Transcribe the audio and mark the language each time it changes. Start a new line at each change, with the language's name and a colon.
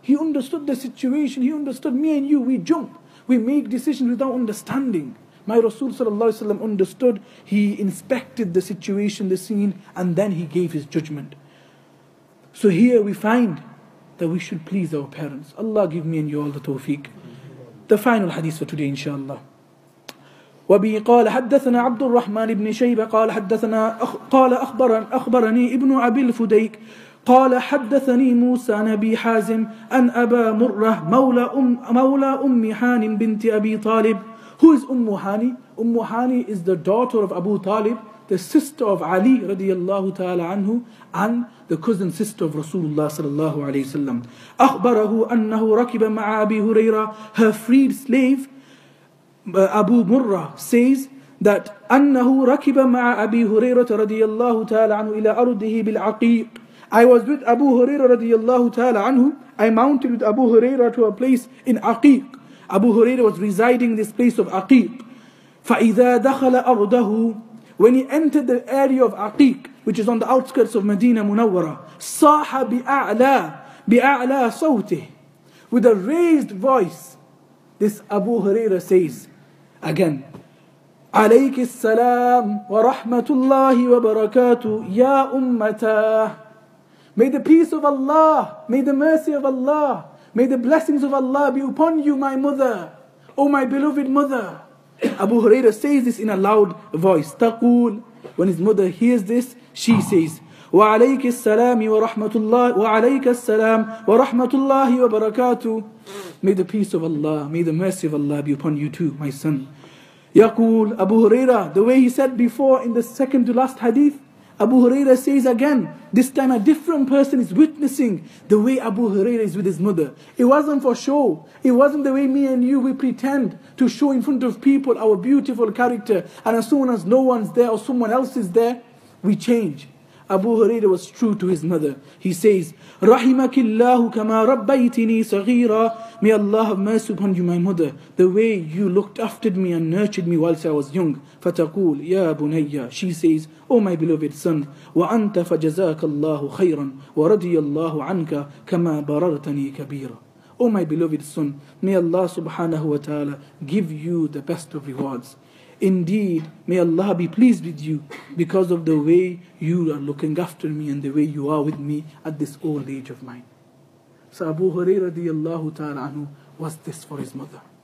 English: He understood the situation. He understood me and you, we jump. We make decisions without understanding. My Rasul sallallahu alaihi wasallam understood. He inspected the situation, the scene, and then he gave his judgment. So here we find that we should please our parents. Allah give me and you all the tawfiq. The final hadith for today, inshallah.
Arabic: وبه قال حدثنا عبد الرحمن بن شيبة قال حدثنا قال أخبرني ابن أبي الفديك قال حدثني موسى نبي حازم أن أبا مرة مولى أم حانم بنت أبي طالب.
English: Who is Umm Hani? Umm Hani is the daughter of Abu Talib, the sister of Ali رضي الله تعالى عنه, and the cousin sister of Rasulullah صلى الله عليه وسلم.
Arabic: أخبره أنه ركب مع أبي هريرة,
English: her freed slave. Abu Murrah says that
Arabic: أنه ركب مع أبي هريرة رضي الله تعالى عنه إلى أرضه بالعقيق.
English: I was with Abu Huraira رضي الله تعالى عنه. I mounted with Abu Huraira to a place in عقيق. Abu Huraira was residing in this place of عقيق.
Arabic: فإذا دخل أرضه,
English: when he entered the area of عقيق, which is on the outskirts of Medina Munawwara,
Arabic: صاح بأعلى صوته,
English: with a raised voice. This Abu Huraira says, again,
Arabic: عليك السلام ورحمة الله وبركاته يا أمتا.
English: May the peace of Allah, may the mercy of Allah, may the blessings of Allah be upon you, my mother, O my beloved mother. Abu Huraira says this in a loud voice.
Arabic: تقول,
English: when his mother hears this, she says,
Arabic: وعليك السلام ورحمة الله وعليك السلام ورحمة الله وبركاته.
English: May the peace of Allah, may the mercy of Allah be upon you too, my son. Yaqul Abu Huraira, the way he said before in the second to last hadith, Abu Huraira says again, this time a different person is witnessing the way Abu Huraira is with his mother. It wasn't for show. It wasn't the way me and you, we pretend to show in front of people our beautiful character, and as soon as no one's there or someone else is there, we change. Abu Huraira was true to his mother. He says,
Arabic: رَحِمَكِ اللَّهُ كَمَا رَبَّيْتِنِي صَغِيرًا.
English: May Allah have mercy upon you, my mother, the way you looked after me and nurtured me whilst I was young.
Arabic: فَتَقُولْ يَا بُنَيَّ.
English: She says, O my beloved son,
Arabic: وَأَنْتَ فَجَزَاكَ اللَّهُ خَيْرًا وَرَضِيَ اللَّهُ عَنْكَ كَمَا بَرَرْتَنِي كَبِيرًا.
English: O my beloved son, may Allah subhanahu wa ta'ala give you the best of rewards. Indeed, may Allah be pleased with you because of the way you are looking after me and the way you are with me at this old age of mine. So Abu Huraira radiallahu ta'ala anhu was this for his mother.